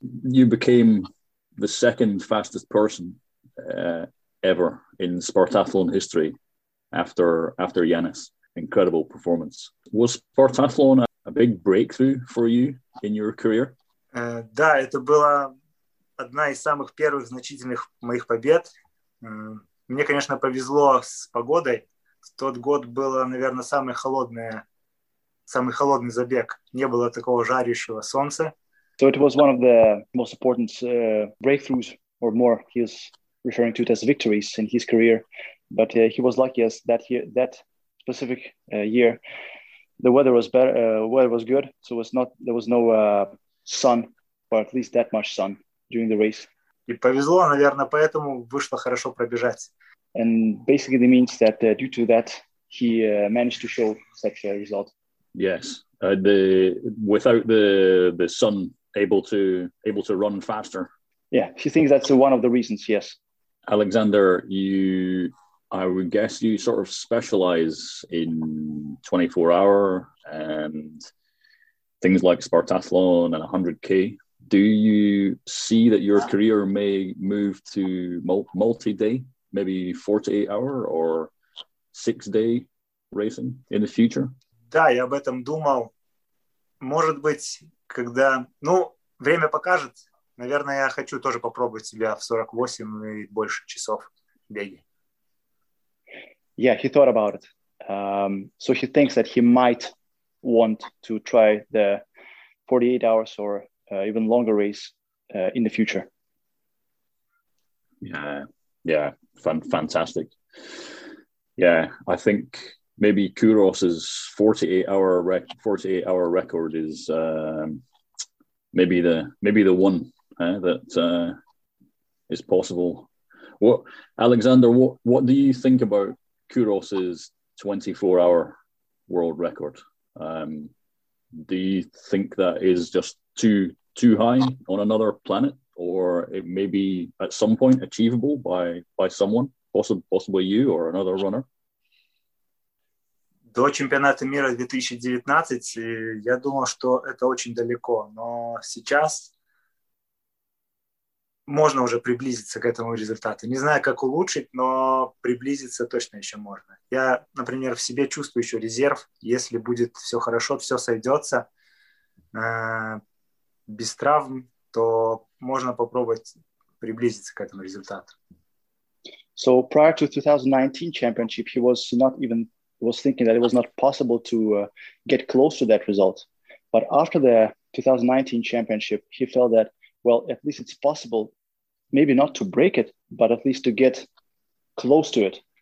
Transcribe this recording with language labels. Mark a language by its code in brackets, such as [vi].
[en] You became the second fastest person ever in Spartathlon history after Yanis. Incredible performance. Was Spartathlon a big breakthrough for you in your career? [ru] Да, это была одна из самых первых значительных моих побед. Мне, конечно, повезло с погодой. В тот год было, наверное, самый холодный забег. Не было такого жарящего солнца. [en] So it was one of the most important breakthroughs, or more, he is referring to it as victories in his career. But he was lucky as that year, that specific year, the weather was better. Weather was good, so there was no sun, or at least that much sun during the race. [ru] И повезло, наверное, поэтому вышло хорошо пробежать. [en] And basically, it means that due to that, he managed to show such a result. Yes, without the sun. Able to run faster. Yeah, she thinks that's one of the reasons, yes. Alexander, I would guess you sort of specialize in 24-hour and things like Spartathlon and 100K. Do you see that your career may move to multi-day, maybe 48-hour or six-day racing in the future? [ru] Да, я об этом думал. Может быть... Когда, ну, время покажет, наверное, я хочу тоже попробовать себя в 48 и больше часов беги. [en] Yeah, he thought about it. So he thinks that he might want to try the 48 hours or even longer race in the future. Yeah, fantastic. Yeah, I think maybe Kuros's 48 hour record is. Maybe the one that is possible. What, Alexander? What do you think about Kuros's 24-hour world record? Do you think that is just too high on another planet, or it may be at some point achievable by someone, possibly you or another runner? [ru] До чемпионата мира 2019 я думал, что это очень далеко, но сейчас можно уже приблизиться к этому результату. Не знаю, как улучшить, но приблизиться точно еще можно. Я, например, в себе чувствую еще резерв. Если будет все хорошо, все сойдется без травм, то можно попробовать приблизиться к этому результату. [en] So prior to 2019 championship, he was not even was thinking that it was not possible to get close to that result. But after the 2019 championship, he felt that, well, at least it's possible, maybe not to break it, but at least to get close to it.